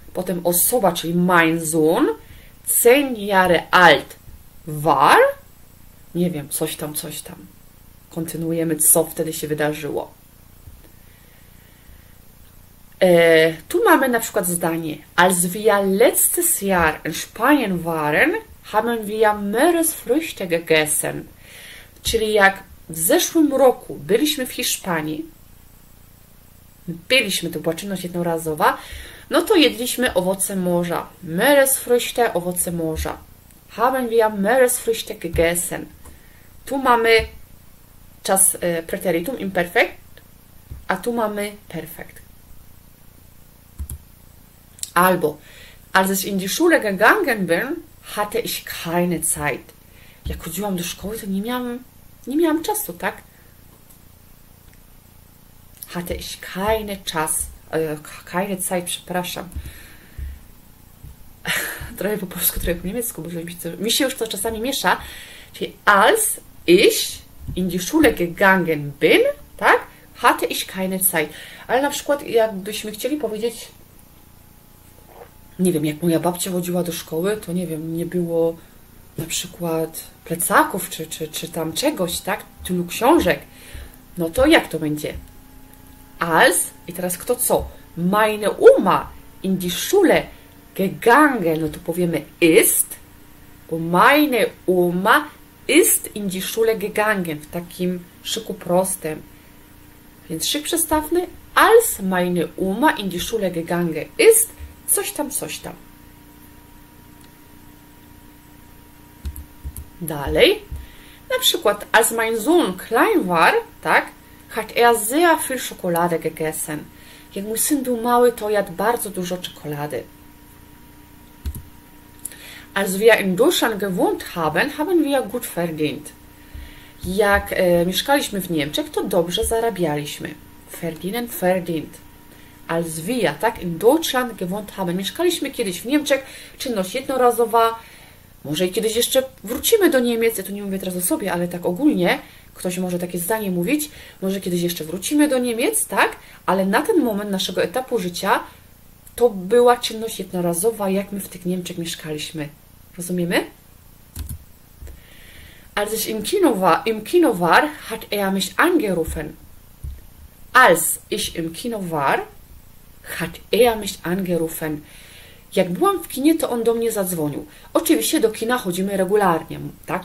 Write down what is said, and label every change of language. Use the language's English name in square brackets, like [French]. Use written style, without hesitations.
[Polish] Potem osoba, czyli [German] mein Sohn, 10 Jahre alt war. [Polish] Nie wiem, coś tam, coś tam. Kontynuujemy, co wtedy się wydarzyło. Tu mamy na przykład zdanie. [German] Als wir letztes Jahr in Spanien waren, haben wir Meeresfrüchte gegessen. [Polish] Czyli jak w zeszłym roku byliśmy w Hiszpanii, byliśmy, to była czynność jednorazowa, no to jedliśmy owoce morza. Meeresfrüchte, owoce morza. [German] Haben wir Meeresfrüchte gegessen. [Polish] Tu mamy czas preteritum imperfekt, a tu mamy perfekt. [German] Albo, als ich in die Schule gegangen bin, hatte ich keine Zeit. [Polish] Jak chodziłam do szkoły, to nie miałam czasu, tak? [German] Hatte ich keine czas, keine Zeit, przepraszam. [Polish] Trochę po polsku, trochę po niemiecku, bo mi się już to czasami miesza. [German] Czyli als ich in die Schule gegangen bin, tak? Hatte ich keine Zeit. [Polish] Ale na przykład, jakbyśmy chcieli powiedzieć, nie wiem, jak moja babcia chodziła do szkoły, to nie wiem, nie było na przykład plecaków, czy tam czegoś, tak? Tylu książek. No to jak to będzie? Als, i teraz kto co? [German] Meine Oma in die Schule gegangen, [Polish] no to powiemy [German] ist, bo meine Oma ist in die Schule gegangen, [Polish] w takim szyku prostym. Więc szyk przestawny, [German] als meine Oma in die Schule gegangen ist, [Polish] coś tam, coś tam. Dalej, na przykład, [German] als mein Sohn klein war, tak, hat sehr viel Schokolade gegessen. [Polish] Jak mój syn był mały, to jadł bardzo dużo czekolady. [German] Als wir in Deutschland gewohnt haben, haben wir gut verdient. [Polish] Jak mieszkaliśmy w Niemczech, to dobrze zarabialiśmy. [German] Verdienen, verdient. Als wir, tak, in Deutschland gewohnt haben. [Polish] Mieszkaliśmy kiedyś w Niemczech, czynność jednorazowa. Może i kiedyś jeszcze wrócimy do Niemiec, ja tu nie mówię teraz o sobie, ale tak ogólnie, ktoś może takie zdanie mówić, może kiedyś jeszcze wrócimy do Niemiec, tak? Ale na ten moment naszego etapu życia to była czynność jednorazowa, jak my w tych Niemczech mieszkaliśmy. Rozumiemy? [German] Als ich im Kino war, hat mich angerufen. Als ich im Kino war, hat mich angerufen. [Polish] Jak byłam w kinie, to on do mnie zadzwonił. Oczywiście do kina chodzimy regularnie, tak?